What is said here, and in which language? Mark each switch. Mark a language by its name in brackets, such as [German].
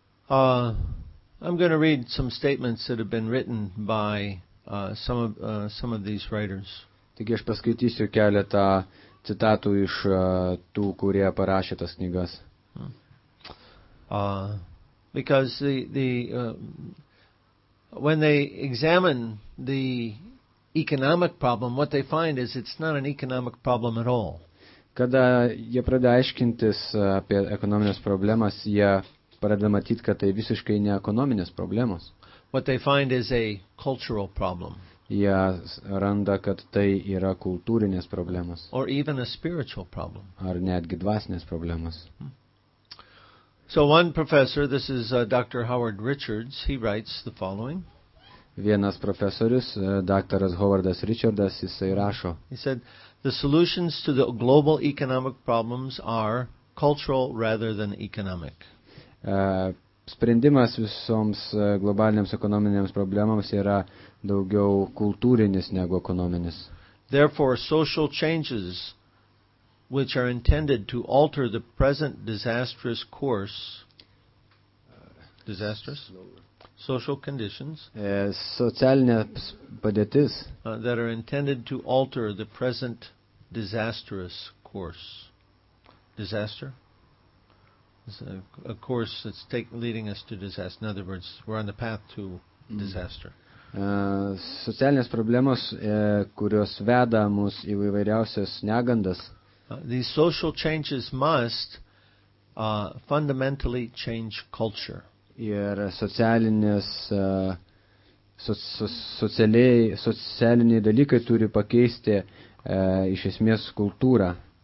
[English] I'm going to read some statements that have been written by some of these writers. [Lithuanian] Taigi aš paskaitysiu keletą citatų iš tų, kurie parašė tas knygas. [English] Because the when they examine the economic problem, what they find is it's not an economic problem at all. [Lithuanian] Kada jie pradeda aiškintis apie ekonomines problemas, jie pradeda matyti, kad tai visiškai ne ekonominės problemos. [English] What they find is a cultural problem. [Lithuanian] Jie randa, kad tai yra kultūrinės problemos. [English] Or even a spiritual problem. [Lithuanian] Ar netgi dvasinės problemos. [English] So one professor, this is Dr. Howard Richards, he writes the following. [Lithuanian] Vienas profesorius, daktaras Howardas Richardas, jisai rašo. [English] He said, the solutions to the global economic problems are cultural rather than economic. [Lithuanian] Sprendimas visoms globaliniams ekonominėms problemams yra daugiau kultūrinis negu ekonominis. [English] Therefore, social changes which are intended to alter the present disastrous course, social conditions, [Lithuanian] socialinė padėtis, [English] that are intended to alter the present disastrous course, It's a course that's leading us to disaster. In other words, we're on the path to disaster. [Lithuanian] Socialinės problemos, kurios veda mus į įvairiausias negandas. [English] These social changes must fundamentally change culture. [Lithuanian] Ir socialiniai dalykai turi pakeisti iš esmės kultūrą.